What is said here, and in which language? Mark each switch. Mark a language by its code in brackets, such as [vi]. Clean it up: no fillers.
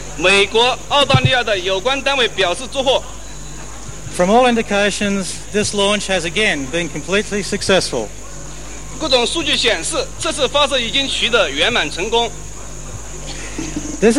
[zh] 我很高兴今年我能第二次站在这儿向今晚的胜利做出贡献的中国、美国、澳大利亚的有关单位表示祝贺。 [en] From all indications, this launch has again been completely successful. [zh] 各种数据显示，这次发射已经取得圆满成功。 [en] This